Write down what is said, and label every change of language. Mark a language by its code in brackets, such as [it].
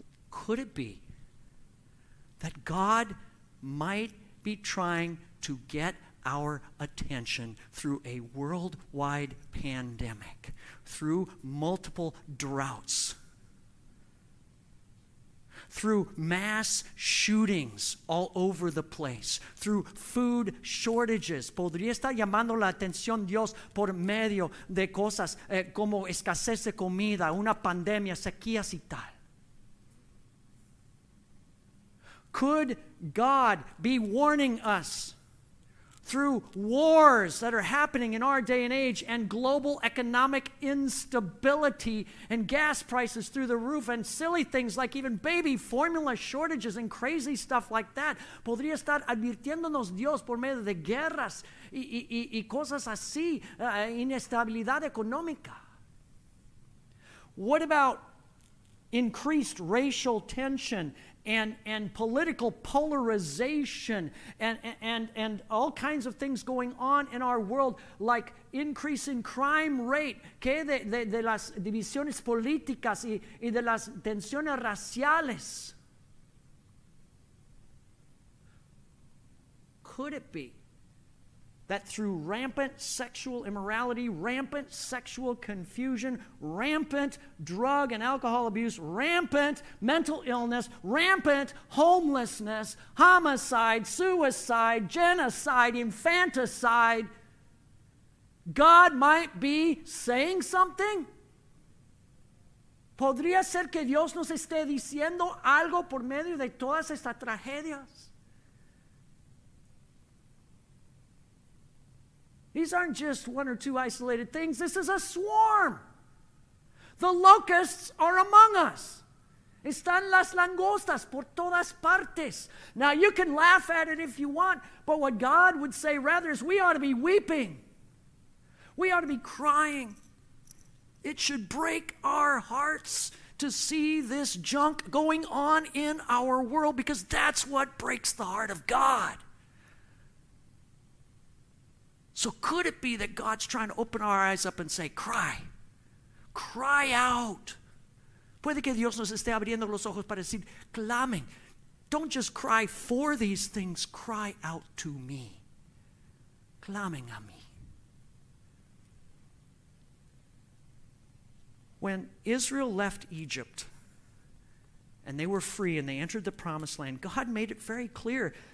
[en] Could it be that God might be trying to get our attention through a worldwide pandemic, through multiple droughts, through mass shootings all over the place, through food shortages? [es] ¿Podría estar llamando la atención Dios por medio de cosas como escasez de comida, una pandemia, sequías y tal? [en] Could God be warning us through wars that are happening in our day and age and global economic instability and gas prices through the roof and silly things like even baby formula shortages and crazy stuff like that? [es] ¿Podría estar advirtiéndonos Dios por medio de guerras y cosas así, inestabilidad económica? [en] What about increased racial tension and political polarization and all kinds of things going on in our world, like increase in crime rate, [es] que de las divisiones políticas y de las tensiones raciales? [en] Could it be that through rampant sexual immorality, rampant sexual confusion, rampant drug and alcohol abuse, rampant mental illness, rampant homelessness, homicide, suicide, genocide, infanticide, God might be saying something? [es] ¿Podría ser que Dios nos esté diciendo algo por medio de todas estas tragedias? [en] These aren't just one or two isolated things. This is a swarm. The locusts are among us. [es] Están las langostas por todas partes. [en] Now, you can laugh at it if you want, but what God would say rather is we ought to be weeping. We ought to be crying. It should break our hearts to see this junk going on in our world, because that's what breaks the heart of God. So could it be that God's trying to open our eyes up and say, cry, cry out? [es] Puede que Dios nos esté abriendo los ojos para decir, clamen. [en] Don't just cry for these things, cry out to me. [es] Clamen a mí. [en] When Israel left Egypt and they were free and they entered the promised land, God made it very clear.